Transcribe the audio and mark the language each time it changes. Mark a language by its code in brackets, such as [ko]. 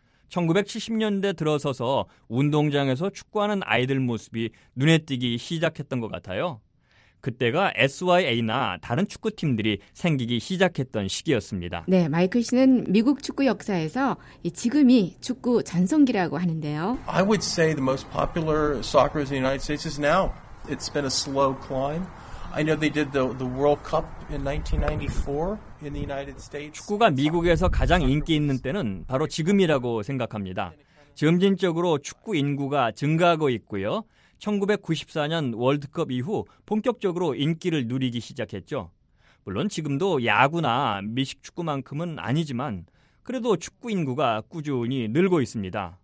[ko] 1970년대 들어서서 운동장에서 축구하는 아이들 모습이 눈에 띄기 시작했던 것 같아요. 그때가 SYA나 다른 축구팀들이 생기기 시작했던 시기였습니다. 네, 마이클 씨는 미국 축구 역사에서 지금이 축구 전성기라고 하는데요. [en] I would say the most popular soccer in the United States is now. It's been a slow climb. I know they did the World Cup in 1994 in the United States. [ko] 축구가 미국에서 가장 인기 있는 때는 바로 지금이라고 생각합니다. 점진적으로 축구 인구가 증가하고 있고요. 1994년 월드컵 이후 본격적으로 인기를 누리기 시작했죠. 물론 지금도 야구나 미식축구만큼은 아니지만 그래도 축구 인구가 꾸준히 늘고 있습니다.